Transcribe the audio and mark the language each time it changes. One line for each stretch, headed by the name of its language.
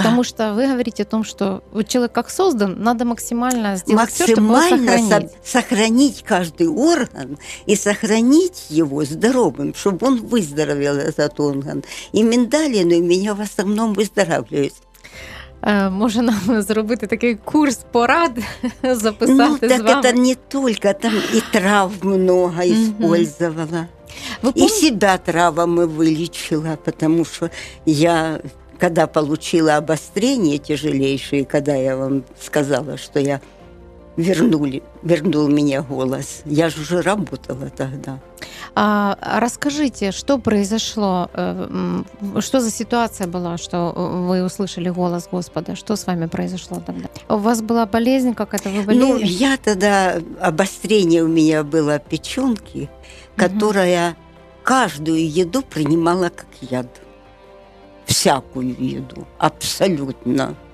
Russian: Потому что вы говорите о том, что вот человек как создан, надо максимально сделать максимально все, чтобы его сохранить. Сохранить каждый орган и сохранить его здоровым, чтобы он выздоровел, этот орган. И миндалины у меня в основном выздоравливают.
Ukrainian: Може нам зробити такий курс порад, записати, ну, так з вами? Так це не тільки, там і трав
Russian: много использовала.
Ukrainian: І себе травами вилічила, тому що я, коли отримала обострення тяжелейше, і коли я вам сказала, що я вернув мені голос, я ж вже працювала тоді.
Russian: А расскажите, что произошло, что за ситуация была, что вы услышали голос Господа, что с вами произошло тогда? У вас была болезнь какая-то, вы болели? Ну, я тогда, обострение у меня было печенки, которая каждую еду принимала как яд, всякую еду, абсолютно.